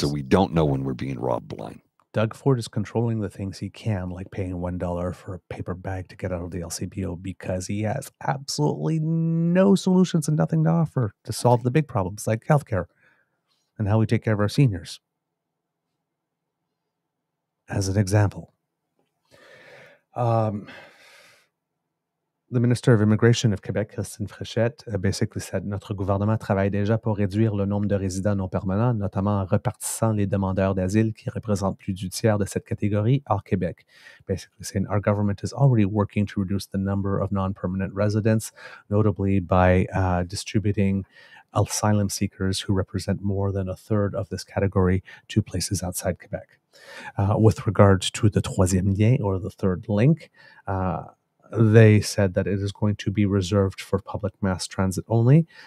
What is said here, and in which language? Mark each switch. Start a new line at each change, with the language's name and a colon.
English: So we don't know when we're being robbed blind. Doug Ford is controlling the things he can, like paying $1 for a paper bag to get out of the LCBO, because he has absolutely no solutions and nothing to offer to solve the big problems like healthcare and how we take care of our seniors. As an example, the Minister of Immigration of Quebec, Christine Fréchette, basically said,
French: notre gouvernement travaille déjà pour réduire le nombre de résidents non permanents, notamment en répartissant les demandeurs d'asile qui représentent plus du tiers de cette catégorie hors Québec.
English: Basically saying, our government is already working to reduce the number of non-permanent residents, notably by distributing asylum seekers who represent more than a third of this category to places outside Quebec. With regard to the troisième lien, or the third link, they said that it is going to be reserved for public mass transit only.